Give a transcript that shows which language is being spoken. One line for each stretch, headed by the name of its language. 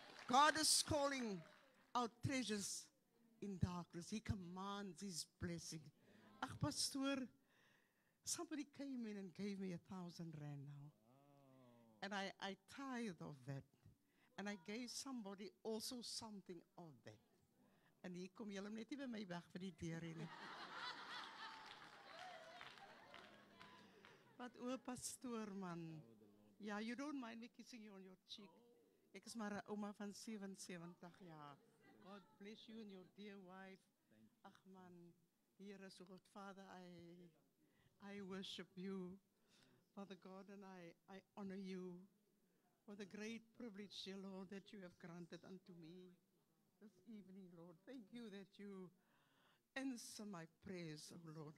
English: God is calling our treasures in darkness. He commands his blessing. Ach, pastor, somebody came in and gave me R1,000 now. And I tithe of that. And I gave somebody also something of that.
Afrikaans: En hier kom julle net nie by my weg vir die deur nie. Wat o, pastoor man.
English: Ja, you don't mind me kissing you on your cheek.
Afrikaans: Ek is maar 'n ouma van 77 jaar.
English: God bless you and your dear wife.
Afrikaans: Ag man,
English: Here is God, Father, I worship you. Father God, and I honor you for the great privilege, dear Lord, that you have granted unto me. This evening, Lord, thank you that you answer my prayers, O Lord.